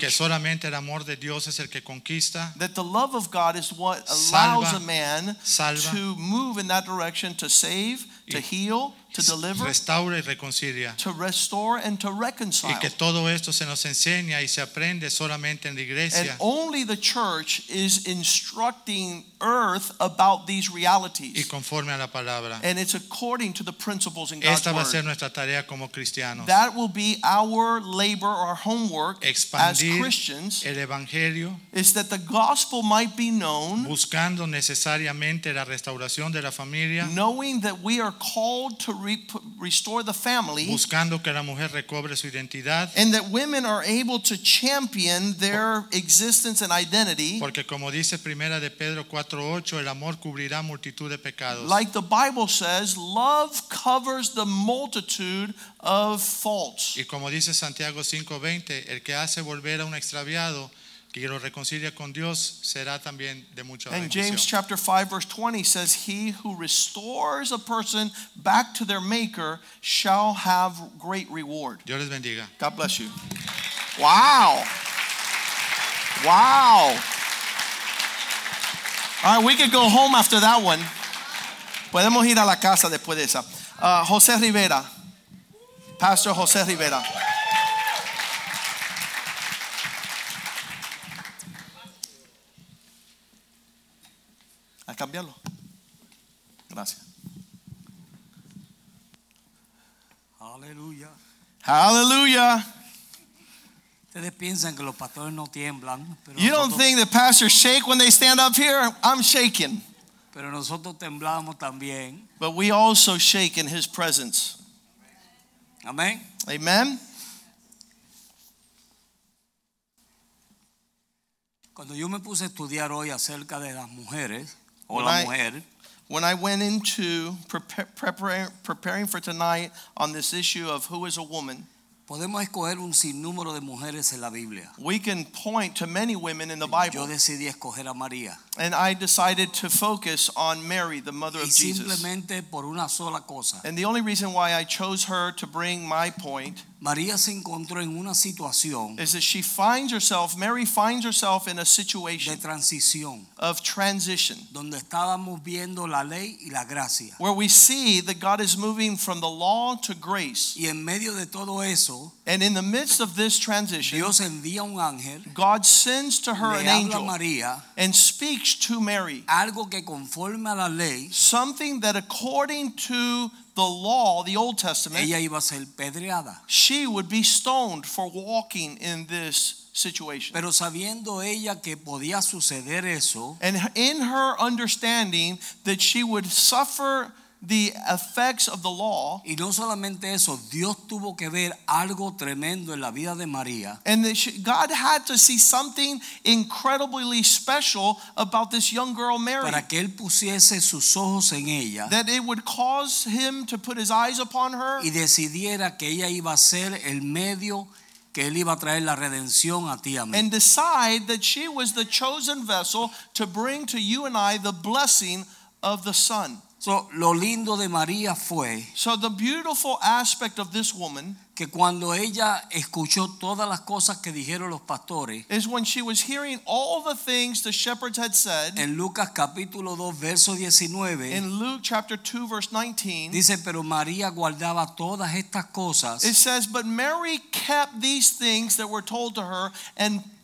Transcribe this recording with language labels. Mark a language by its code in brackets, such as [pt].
[es] que solamente el amor de Dios es el que conquista. [en] That the love of God is what allows a man [es] salva, [en] to move in that direction to save, to heal, to deliver, [es] restaura y reconcilia. [en] To restore and to reconcile. [es] Y que todo esto se nos enseña y se aprende solamente en la iglesia. [en] And only the church is instructing earth about these realities. [es] Y conforme a la palabra. [en] And it's according to the principles in God's word. [es] Esta va a ser nuestra tarea como cristianos. [en] That will be our labor, our homework [es] expandir [en] as Christians. [es] El evangelio. [en] Is that the gospel might be known. [es] Buscando necesariamente la restauración de la familia. [en] Knowing that we are called to restore the family, [es] buscando que la mujer recobre su identidad, [en] and that women are able to champion their existence and identity, [es] porque como dice Primera de Pedro 4:8, el amor cubrirá multitud de pecados. [en] Like the Bible says, love covers the multitude of faults. [es] Y como dice Santiago 5:20, el que hace volver a un extraviado que lo reconcilia con Dios será también de mucha bendición. [en] And James chapter 5 verse 20 says, he who restores a person back to their maker shall have great reward. [es] Dios les bendiga. [en] God bless you. Wow. Wow. All right, we could go home after that one. [es] Podemos ir a la casa después de esa. José Rivera. Pastor José Rivera. Cambiarlo. Gracias. Aleluya. Aleluya. Ustedes piensan que los pastores no tiemblan. [en] You don't think the pastors shake when they stand up here? I'm shaking. [es] Pero nosotros temblamos también. [en] But we also shake in his presence. Amen. Amen. [es] Cuando yo me puse a estudiar hoy acerca de las mujeres, [en] When I, When I went into preparing for tonight on this issue of who is a woman, [es] podemos escoger un sinnúmero de mujeres en la Biblia. [en] We can point to many women in the Bible. [es] Yo decidí escoger a María. [en] And I decided to focus on Mary, the mother [es] y [en] of Jesus. [es] Simplemente por una sola cosa. [en] And the only reason why I chose her to bring my point, [es] María se encontró en una situación, [en] is that she finds herself, Mary finds herself in a situation [es] de transición, [en] of transition, [es] donde estábamos viendo la ley y la gracia, [en] where we see that God is moving from the law to grace. [es] Y en medio de todo eso, [en] and in the midst of this transition, [es] Dios envía un ángel, [en] God sends to her an angel, [es] María, [en] and speaks to Mary [es] algo que conforme a la ley, [en] something that according to the law, the Old Testament, [es] ella iba a ser pedreada. [en] She would be stoned for walking in this situation. [es] Pero sabiendo ella que podía suceder eso, [en] and in her understanding that she would suffer the effects of the law, [es] y no solamente eso, Dios tuvo que ver algo tremendo en la vida de María, [en] and that she, God had to see something incredibly special about this young girl Mary, [es] para que él pusiese sus ojos en ella, [en] that it would cause him to put his eyes upon her, [es] y decidiera que ella iba a ser el medio que él iba a traer la redención a ti y a mí, [en] and decide that she was the chosen vessel to bring to you and I the blessing of the Son. [es] So, lo lindo de María fue, [en] so the beautiful aspect of this woman, [es] que cuando ella escuchó todas las cosas que dijeron los pastores, [en] is when she was hearing all the things the shepherds had said, [es] en Lucas capítulo 2 verso 19, [en] in Luke chapter 2 verse 19, [es] dice, pero María guardaba todas estas cosas, [en] it says, but Mary kept these things that were told to her and